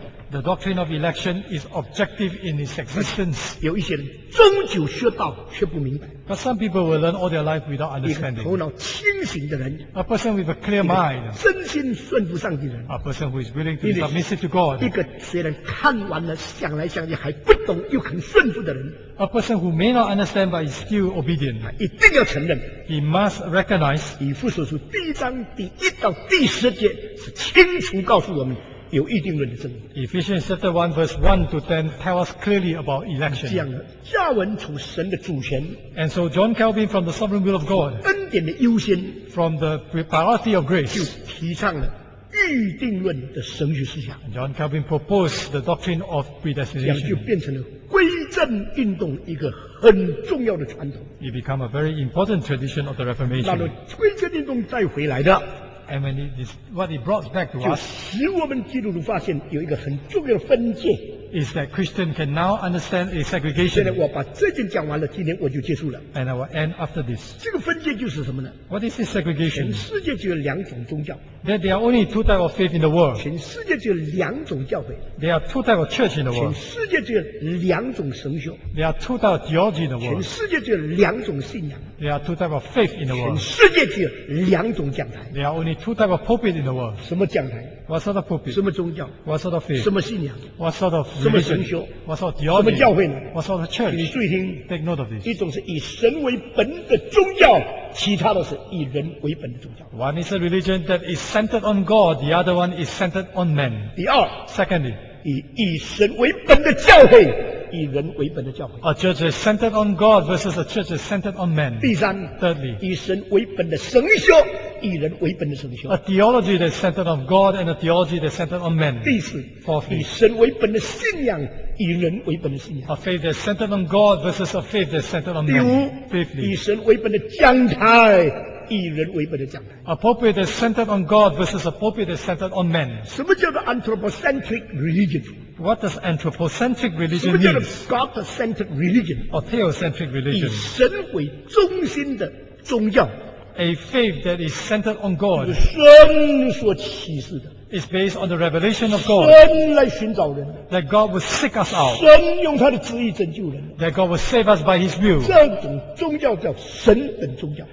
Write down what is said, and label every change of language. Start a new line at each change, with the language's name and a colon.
English: The doctrine of election is objective in its existence.
Chinese: 有一些人终究学到却不明白。
English: But some people will learn all their life without understanding.
Chinese: 一个头脑清醒的人。
English: A person with a clear mind.
Chinese: 真心顺服上帝的人。
English: A person who is willing to be submissive to God.
Chinese: 一个虽然看完了想来想去还不懂又肯顺服的人。
English: A person who may not understand but is still obedient.
Chinese: 一定要承认。
English: He must recognize.
Chinese: 以弗所书第一章第一到第十节是清楚告诉我们。有议定论的真理。
English: Ephesians chapter 1 verse 1 to 10 tell us clearly about election.
Chinese: 这样的加文从神的主权。
English: And so John Calvin from the sovereign will of God.
Chinese: 恩典的优先。
English: From the priority of grace.
Chinese: 就提倡了预定论的神学思想。
English: John Calvin proposed the doctrine of predestination.
Chinese: 这样就变成了归正运动一个很重要的传统。
English: It became a very important tradition of the Reformation.
Chinese: 那么归正运动再回来的。
English: And when it is what it brought back to us,
Chinese: 使我们基督徒发现有一个很重要的分界
English: is that Christian can now understand a segregation.
Chinese: 现在我把这件讲完了，今天我就结束了。
English: And I will end after this.
Chinese: 这个分界就是什么呢？
English: What is this segregation?
Chinese: 全世界只有两种宗教。
English: That there are only two types of faith in the world.
Chinese: 全世界只有两种教会。
English: There are two types of church in the world.
Chinese: 全世界只有两种神学。
English: There are two types of theology in the world.
Chinese: 全世界只有两种信仰。
English: There are two types of faith in the world.
Chinese: 全世界只有两种讲台。
English: There are only two types of pulpit in the world.
Chinese: 什么讲台？
English: What sort of pulpit?
Chinese: 什么宗教？
English: What sort of faith?
Chinese: 什么信仰？
English: What sort of religion?
Chinese: 什么神学？
English: What sort of theology?
Chinese: 什么教会呢？
English: What sort of church?
Chinese: 请你注意听。
English: Take note of this.
Chinese: 一种是以神为本的宗教。其他的是以人为本的宗教。
English: One is a religion that is centered on God, the other one is centered on man.
Chinese: 第二
English: ，Secondly，
Chinese: 以神为本的教会，以人为本的教会。
English: A church is centered on God versus a church is centered on man.
Chinese: 第三
English: ，Thirdly，
Chinese: 以神为本的神学，以人为本的神学。
English: A theology that is centered on God and a theology that is centered on man.
Chinese: 第四
English: ，Fourthly，
Chinese: 以神为本的信仰。以人为本的信仰。
English: A faith that's centered on God versus a faith that's centered on man.
Chinese: 第五
English: Fifthly,
Chinese: 以神为本的讲台，以人为本的讲台。
English: A pulpit that's centered on God versus a pulpit that's centered on man.
Chinese: 什么叫做
English: anthropocentric religion? What does anthropocentric religion mean?
Chinese: 什么叫做
English: God-centered religion? Or theocentric religion?
Chinese: 以神为中心的宗教。
English: A faith that is centered on God.
Chinese: 就是神所启示的。
English: It's based on the revelation of God.
Chinese: 神来寻找人。
English: That God will seek us out.
Chinese: 神用他的旨意拯救人。
English: That God will save us by His will.
Chinese: 这种宗教叫神本宗教。